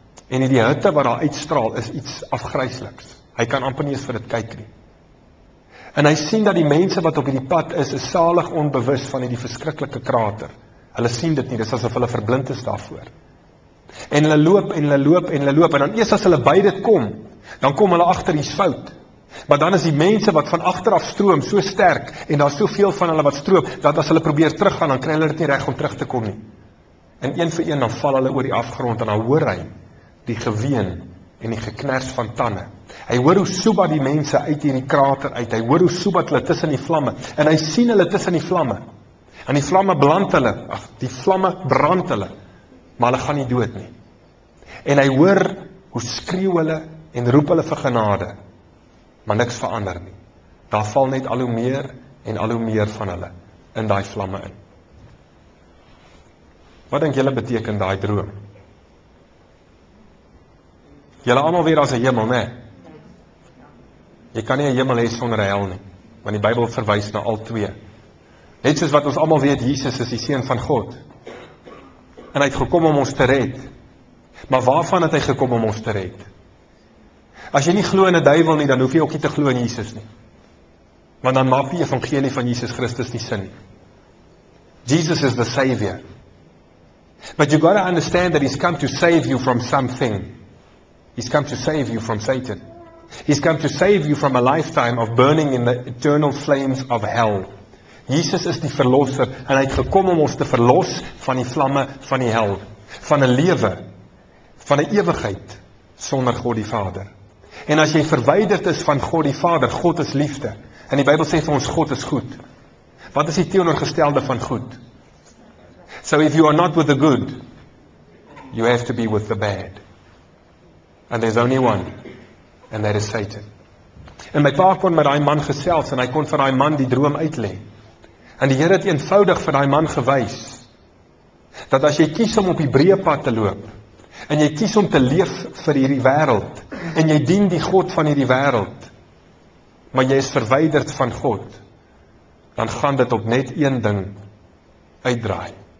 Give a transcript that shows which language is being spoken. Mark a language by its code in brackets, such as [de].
[af] En hierdie hitte wat daar uitstraal is iets afgryseliks. Hy kan amper nie eens vir dit kyk nie. En hy sien dat die mense wat op hierdie pad is, is salig onbewus van hierdie verskriklike krater. Hulle sien dit nie, dis asof hulle verblind is daarvoor. En hulle loop en hulle loop en hulle loop en dan eers as hulle by dit kom, dan kom hulle agter iets fout. Maar dan is die mense wat van agteraf stroom so sterk en daar is soveel van hulle wat stroom, dat as hulle probeer teruggaan, dan kry hulle dit nie reg om terug te kom nie. En een vir een dan val hulle oor die afgrond en dan hoor hy die geween en die geknars van tande. Hy hoor hoe Suba die mense uit hierdie krater uit. Hy hoor hoe Suba hulle tussen die vlamme en hy sien hulle tussen die vlamme. En die vlamme brand hulle. Ag, die vlamme brand hulle. Maar hulle gaan nie dood nie. En hy hoor hoe skreeu hulle en roep hulle vir genade. Maar niks verander nie. Daar val net al hoe meer en al hoe meer van hulle in daai vlamme in. Wat dink julle beteken daai droom? Julle almal weet daar's 'n hemel, né? Jy kan nie 'n hemel hê sonder 'n hel nie, want die Bybel verwys na al twee. Net soos wat ons almal weet, Jesus is die seun van God. En hy het gekom om ons te red. Maar waarvan het hy gekom om ons te red? As jy nie glo in 'n duiwel nie, dan hoef jy ook nie te glo in Jesus nie. Want dan maak die evangelie van Jesus Christus nie sin. [en] Jesus is the savior. But you got to understand that he's come to save you from something. He's come to save you from Satan. He's come to save you from a lifetime of burning in the eternal flames of hell. [af] Jesus is die verlosser en hy het gekom om ons te verlos van die vlamme van die hel, van 'n lewe, van 'n ewigheid sonder God die Vader. En as jy verwyderd is van God die Vader, God is liefde. En die Bybel sê vir ons God is goed. Wat is die teenoorgestelde van goed? [en] So if you are not with the good, you have to be with the bad. And there's only one, and that is Satan. [af] En my pa kon met daai man gesels en hy kon vir daai man die droom uitlê. En die Here het eenvoudig vir daai man gewys dat as jy kies om op die breë pad te loop en jy kies om te leef vir hierdie wêreld en jy dien die God van hierdie wêreld, maar jy is verwyderd van God, dan gaan dit op net een ding uitdraai.